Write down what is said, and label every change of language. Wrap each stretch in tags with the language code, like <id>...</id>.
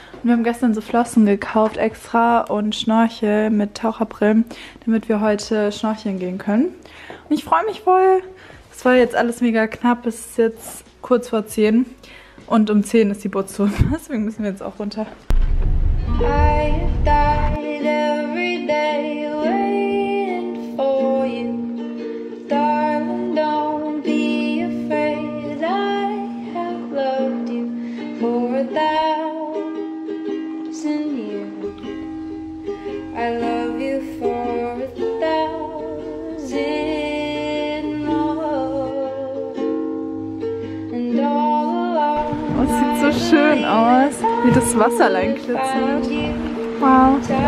<de>Und wir haben gestern so Flossen gekauft extra und Schnorchel mit Taucherbrillen, damit wir heute schnorcheln gehen können. Und ich freue mich voll. Es war jetzt alles mega knapp. Es ist jetzt kurz vor 10. Und um 10 ist die Boot zu. Deswegen müssen wir jetzt auch runter.</de> <en>I died every day waiting for you. Darling, don't be afraid. I have loved you for a thousand years. I love you for a thousand more. And all along.</en> <de>Oh, es sieht so schön aus, wie das Wasser allein glitzert. Wow.</de>